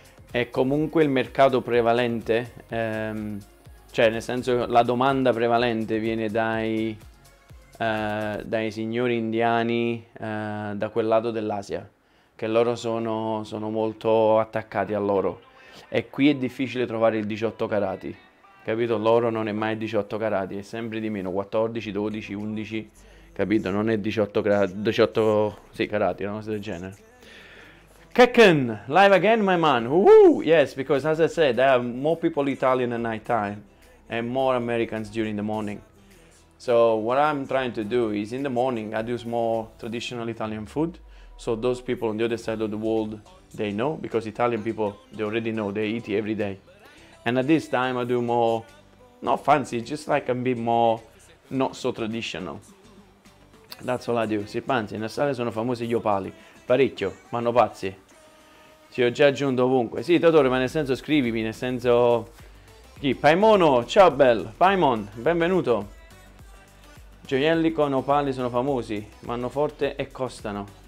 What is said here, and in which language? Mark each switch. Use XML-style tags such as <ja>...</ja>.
<it>È comunque il mercato prevalente, cioè, nel senso, la domanda prevalente viene dai signori indiani, da quel lato dell'Asia, che loro sono molto attaccati a loro. E qui è difficile trovare il 18 carati, capito? L'oro non è mai 18 carati, è sempre di meno, 14, 12, 11, capito? Non è 18 sì, carati, una cosa del genere.</it> <en>Kekken, live again, my man. Woo! Yes, because as I said, there are more people Italian at night time and more Americans during the morning. So what I'm trying to do is in the morning I do more traditional Italian food. So those people on the other side of the world, they know, because Italian people, they already know, they eat every day. And at this time I do more, not fancy, just like a bit more not so traditional. That's all I do.</en> <it>Si panzi, in Australia sono famosi gli opali. Parecchio, vanno pazzi. Ti ho già aggiunto ovunque. Sì, Totore, ma nel senso scrivimi, nel senso... Chi? Paimono, ciao bel. Paimon, benvenuto. Gioielli con opali sono famosi, vanno forte e costano.</it>